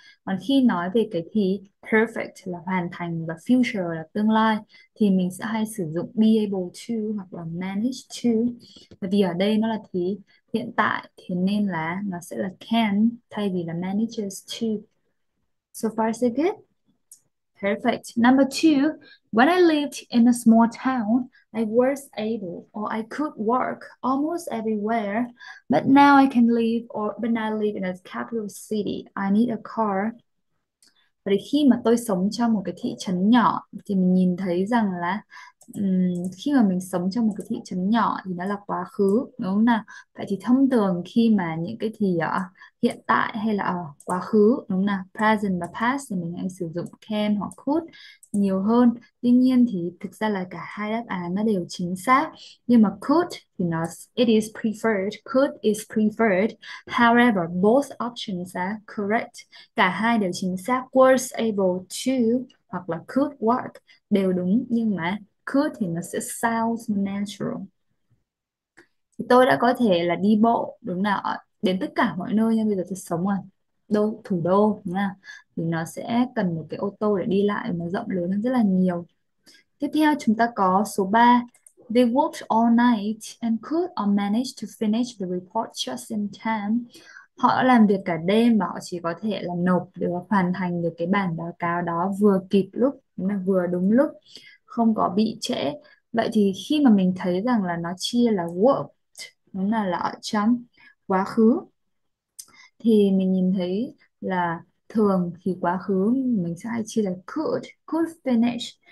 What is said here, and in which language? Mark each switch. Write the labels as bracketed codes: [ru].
[vi] Còn khi nói về cái thì perfect là hoàn thành và future là tương lai thì mình sẽ hay sử dụng be able to hoặc là manage to. Và vì ở đây nó là thì hiện tại thì nên là nó sẽ là can thay vì là manages to. [en] So far so good. Perfect. Number two, when I lived in a small town, I was able or I could work almost everywhere, but now I can live or but now I live in a capital city. I need a car. [vi] Vậy khi mà tôi sống trong một cái thị trấn nhỏ thì mình nhìn thấy rằng là khi mà mình sống trong một cái thị trấn nhỏ thì nó là quá khứ, đúng không nào? Vậy thì thông thường khi mà những cái thì ở hiện tại hay là ở quá khứ, đúng không nào? Present và past thì mình hay sử dụng can hoặc could nhiều hơn. Tuy nhiên thì thực ra là cả hai đáp án nó đều chính xác. Nhưng mà could thì nó [en] it is preferred, could is preferred. However, both options are correct. [vi] Cả hai đều chính xác. Was able to hoặc là could work đều đúng, nhưng mà could thì nó sẽ [en] sounds natural. [vi] Thì tôi đã có thể là đi bộ, đúng nào, đến tất cả mọi nơi, nhưng bây giờ tôi sống ở đô thủ đô nha, thì nó sẽ cần một cái ô tô để đi lại mà rộng lớn hơn rất là nhiều. Tiếp theo chúng ta có số 3, [en] they worked all night and could or managed to finish the report just in time. [vi] Họ làm việc cả đêm mà họ chỉ có thể là nộp được, hoàn thành được cái bản báo cáo đó vừa kịp lúc, vừa đúng lúc, không có bị trễ. Vậy thì khi mà mình thấy rằng là nó chia là worked, đúng là ở trong quá khứ, thì mình nhìn thấy là thường thì quá khứ mình sẽ hay chia là could finish.